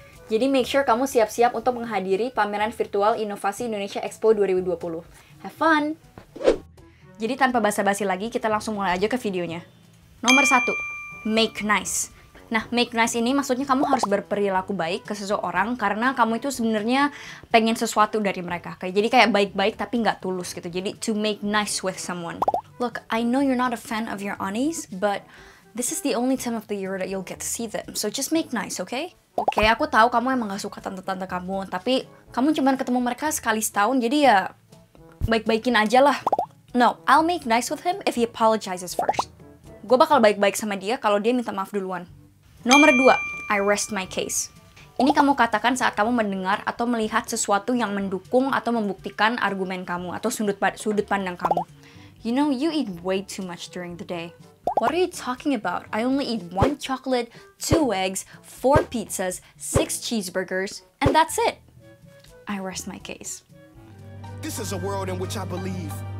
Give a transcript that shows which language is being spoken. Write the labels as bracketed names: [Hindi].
[Indonesian] Jadi [English] make sure [Indonesian] kamu siap-siap untuk menghadiri pameran virtual Inovasi Indonesia Expo 2020. [English] Have fun! [Indonesian] Jadi tanpa basa-basi lagi, kita langsung mulai aja ke videonya. Nomor 1, make nice. Nah, make nice ini maksudnya kamu harus berperilaku baik ke seseorang karena kamu itu sebenarnya pengen sesuatu dari mereka. Jadi kayak baik-baik tapi nggak tulus gitu. Jadi [English] to make nice with someone. Look, I know you're not a fan of your aunties, but this is the only time of the year that you'll get to see them. So just make nice, okay? [Indonesian] Okay, aku tahu kamu emang nggak suka tante-tante kamu, tapi kamu cuma ketemu mereka sekali setahun, jadi ya baik-baikin aja lah. [English] No, I'll make nice with him if he apologizes first. [Indonesian] Gua bakal baik-baik sama dia kalau dia minta maaf duluan. Nomor 2, I rest my case. Ini kamu katakan saat kamu mendengar atau melihat sesuatu yang mendukung atau membuktikan argumen kamu atau sudut pandang kamu. [English] You know, you eat way too much during the day. What are you talking about? I only eat one chocolate, two eggs, four pizzas, six cheeseburgers, and that's it. I rest my case. This is a world in which I believe.